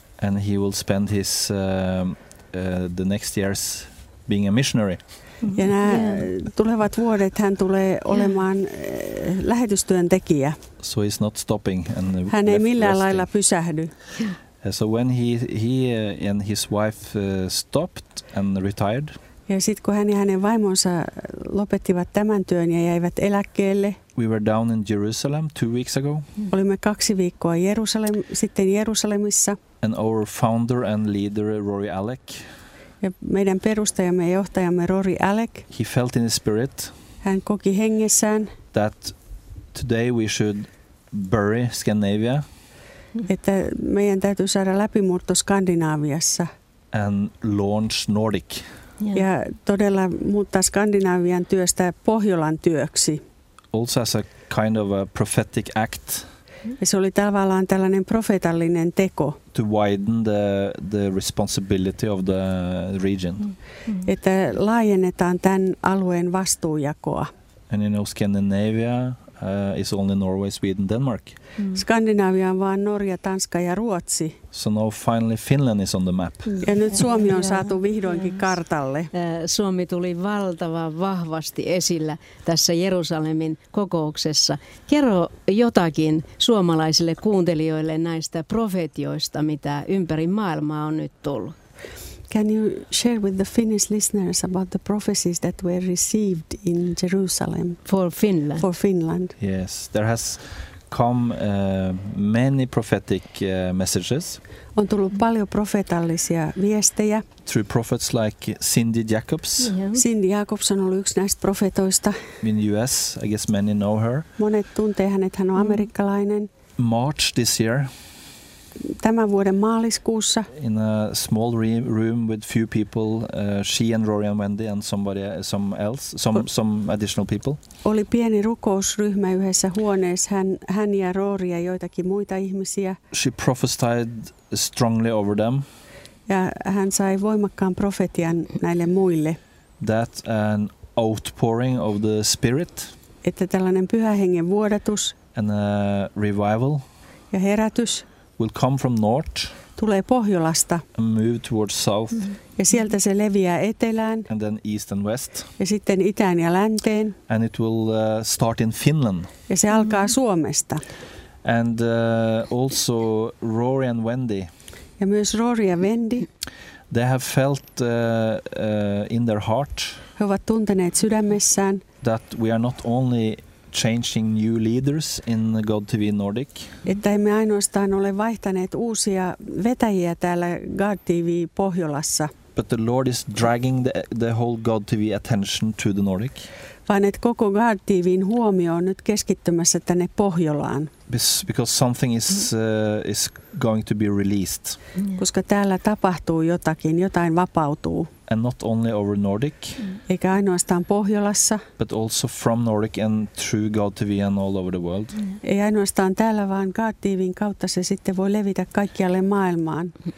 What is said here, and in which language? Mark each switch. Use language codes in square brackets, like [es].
[en] And he will spend his the next years being a missionary. [fi] Ja nämä tulevat vuodet hän tulee olemaan lähetystyöntekijä. [en] So he's not stopping and [fi] hän ei millään resting. Lailla pysähdy. [en] So when he and his wife stopped and retired. [fi] Ja sitten kun hän ja hänen vaimonsa lopettivat tämän työn ja jäivät eläkkeelle. [en] We were down in Jerusalem 2 weeks ago. [fi] Olimme 2 viikkoa Jerusalemissa. [en] And our founder and leader Rory Alec. [fi] Ja meidän perustajamme ja johtajamme Rory Alec. [en] He felt in his spirit. [fi] Hän koki hengessään. [en] That today we should bury Scandinavia. [fi] Että meidän täytyy saada läpimurto Skandinaaviassa. [en] And launch Nordic. Yeah. [fi] Ja todella muuttaa Skandinaavian työstä Pohjolan työksi. [en] Also as a kind of a prophetic act. [fi] Ja se oli tavallaan tällainen profeetallinen teko. [en] to widen the responsibility of the region. [fi] Että laajennetaan tämän alueen vastuujakoa. [en] And you know, Scandinavia is only Norway, Sweden, Denmark. [fi] Skandinavia on vaan Norja, Tanska ja Ruotsi. [en] So now finally Finland is on the map. [fi] Ja nyt Suomi on saatu vihdoinkin kartalle. Suomi tuli valtavan vahvasti esillä tässä Jerusalemin kokouksessa. Kerro jotakin suomalaisille kuuntelijoille näistä profetioista, mitä ympäri maailmaa on nyt tullut. [en] Can you share with the Finnish listeners about the prophecies that were received in Jerusalem? For Finland. For Finland. Yes, there has come many prophetic messages. [fi] On tullut paljon profetallisia viestejä. [en] Through prophets like Cindy Jacobs. Yeah. [fi] Cindy Jacobs on ollut yksi näistä profetoista. [en] In the US, I guess many know her. [fi] Monet tuntee hänet, hän on amerikkalainen. [en] March this year. [fi] Tämän vuoden maaliskuussa. [en] In a small room with few people, she and Rory and Wendy and somebody, some additional people. [fi] Oli pieni rukousryhmä yhdessä huoneessa, hän ja Rory ja joitakin muita ihmisiä. [en] She prophesied strongly over them. [fi] Ja hän sai voimakkaan profetian näille muille. [en] That an outpouring of the Spirit. [fi] Että tällainen pyhän hengen vuodatus. [en] And a revival. [fi] Ja herätys. [en] Will come from north. [fi] Tulee Pohjolasta. [en] And move towards south. [fi] Ja sieltä se leviää etelään. [en] And then east and west. [fi] Ja sitten itään ja länteen. [en] And it will start in Finland. [fi] Ja se alkaa Suomesta. [en] And also Rory and Wendy. [fi] Ja myös Rory ja Wendy. [en] They have felt in their heart. [fi] He ovat tunteneet sydämessään. [en] That we are not only changing new leaders in God TV Nordic. [fi] Että emme ainoastaan ole vaihtaneet uusia vetäjiä täällä God TV Pohjolassa. [en] But the Lord is dragging the whole God TV attention to the Nordic. [fi] Vaan että koko God TV:n huomio on nyt keskittymässä tänne Pohjolaan. [en] Because something is going to be released. [fi] Koska täällä tapahtuu jotakin, jotain vapautuu. [en] And not only over Nordic. [fi] Eikä ainoastaan Pohjolassa. [en] But also from Nordic and through God TV and all over the world. [fi] Ei ainoastaan täällä, vaan God TV:n kautta se sitten voi levitä kaikkialle maailmaan.